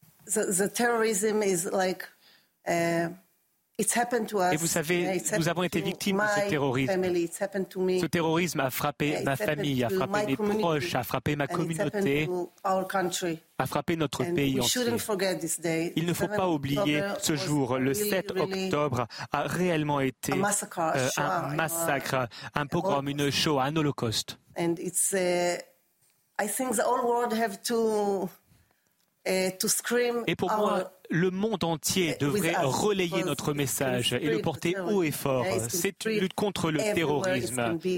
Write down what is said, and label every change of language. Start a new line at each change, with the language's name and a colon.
English: The terrorism is like it's happened to us.
French: Et vous savez, nous avons été victimes de ce terrorisme.
English: Family, it's happened to me.
French: Ce terrorisme a frappé ma famille, a frappé mes proches, a frappé ma communauté, a frappé notre pays entier. Il ne faut pas oublier ce jour. Le 7 octobre a réellement été un massacre, un pogrom, une Shoah, un holocauste.
English: And it's I think the whole world have to
French: Et pour moi, le monde entier devrait relayer notre message et le porter haut et fort. C'est une lutte contre le terrorisme.